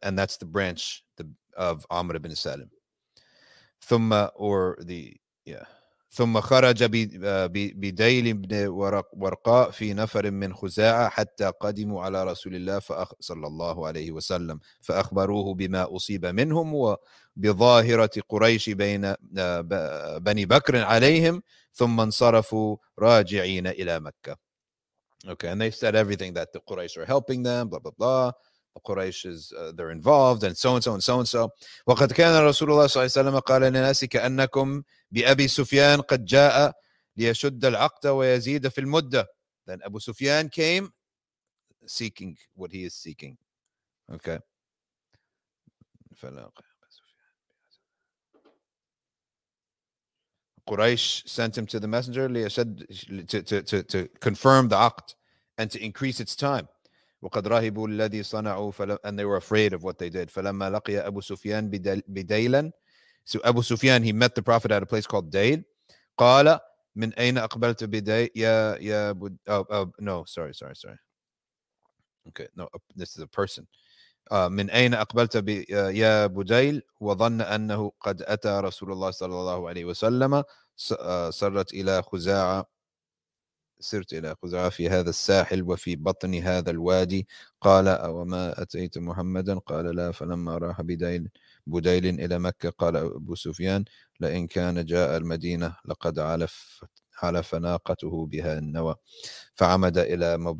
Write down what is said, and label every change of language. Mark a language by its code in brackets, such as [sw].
[en] and that's the branch of عمرو بن سالم. ثم or the yeah [ar] ثم خرج بديل بن ورقاء في نفر من خزاعة حتى قدموا على رسول الله صلى الله عليه وسلم فأخبروه بما أصيب منهم وبظاهرة قريش بين بني بكر عليهم ثم انصرفوا راجعين إلى مكة. [en] Okay, and they said everything that the Quraysh are helping them, blah blah blah. Quraysh is they're involved and so and so and so and so. [ar] وقد كان رسول الله صلى الله عليه وسلم قال للناس كأنكم بأبي سفيان قد جاء ليشد العقد ويزيد في المدة. [en] Then Abu Sufyan came seeking what he is seeking. Okay. Quraysh sent him to the messenger to confirm the aqd and to increase its time. [ar] وقد رهبوا الذي صنعوا [en] and they were afraid of what they did. [ar] فلما لقي أبو سفيان بديلا, [en] so Abu Sufyan, he met the Prophet at a place called Dayl. [ar] قال من أين أقبلت بديل يا أبو [en] sorry. Okay, no, this is a person. [ar] من أين أقبلت يا بديل وظن أنه قد أتى رسول الله صلى الله عليه وسلم سرت إلى خزاعة سرت إلى خزاعة في هذا الساحل وفي بطن هذا الوادي قال أوما أتيت محمدا قال لا فلما راح بديل إلى مكة قال أبو سفيان لئن كان جاء المدينة لقد علف ناقته بها النوى فعمد إلى